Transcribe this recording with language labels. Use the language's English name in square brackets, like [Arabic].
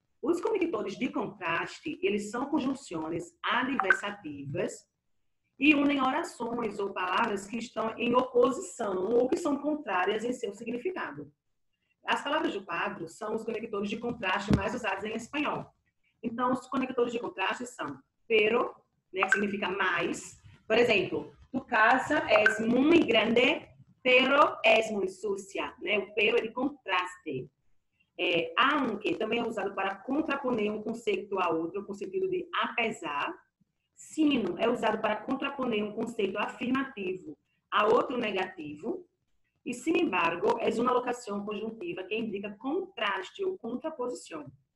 [Portuguese] Os conectores de contraste, eles são conjunções adversativas e unem orações ou palavras que estão em oposição ou que são contrárias em seu significado. As palavras do quadro são os conectores de contraste mais usados em espanhol. Então, os conectores de contraste são pero, né, que significa mais. Por exemplo, [Spanish] tu casa es muy grande. Pero es muy sucia, [Portuguese] né? O pero ele contraste. Aunque também é usado para contraponer um conceito a outro, com sentido de apesar. Sino é usado para contraponer um conceito afirmativo a outro negativo. [Spanish] E sin embargo, es una locación conjuntiva que indica contraste [Portuguese] ou contraposição.